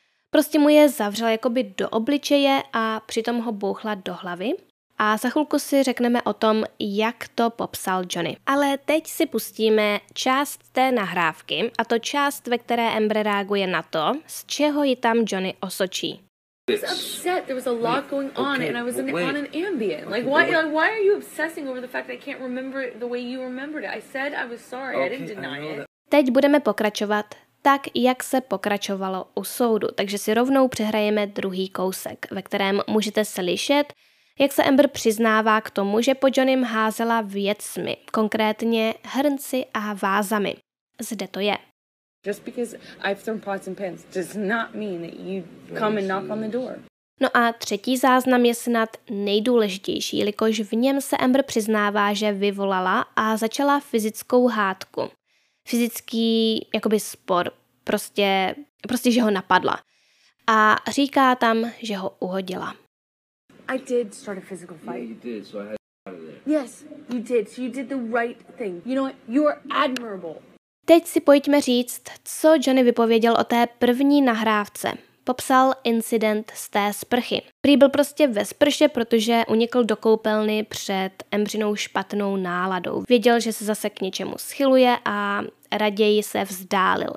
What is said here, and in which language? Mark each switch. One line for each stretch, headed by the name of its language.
Czech: Prostě mu je zavřela jakoby do obličeje a přitom ho bouchla do hlavy. A za chvilku si řekneme o tom, jak to popsal Johnny. Ale teď si pustíme část té nahrávky, a to část, ve které Amber reaguje na to, z čeho ji tam Johnny osočí.
English: I was upset. There was a lot going on, okay, and I was on an Ambien. Like, why are you obsessing over the fact that I can't remember it the way you remembered it? I said I was sorry. Okay, I didn't deny it.
Czech: Teď budeme pokračovat tak, jak se pokračovalo u soudu. Takže si rovnou přehrajeme druhý kousek, ve kterém můžete slyšet, jak se Amber přiznává k tomu, že po Johnnym házela věcmi, konkrétně hrnci a vázami. Zde to je.
English: Just because I've thrown pots and pans does not mean that you come and knock on the door.
Czech: No a třetí záznam je snad nejdůležitější, jelikož v něm se Amber přiznává, že vyvolala a začala fyzickou hádku. Fyzický jakoby spor, prostě že ho napadla. A říká tam, že ho uhodila.
English: I did start a physical fight. Yeah, you did, so I had to get out of there. Yes, you did. So you did the right thing. You know what? You are admirable.
Czech: Teď si pojďme říct, co Johnny vypověděl o té první nahrávce. Popsal incident z té sprchy. Prý byl prostě ve sprše, protože unikl do koupelny před Embřinou špatnou náladou. Věděl, že se zase k něčemu schyluje a raději se vzdálil.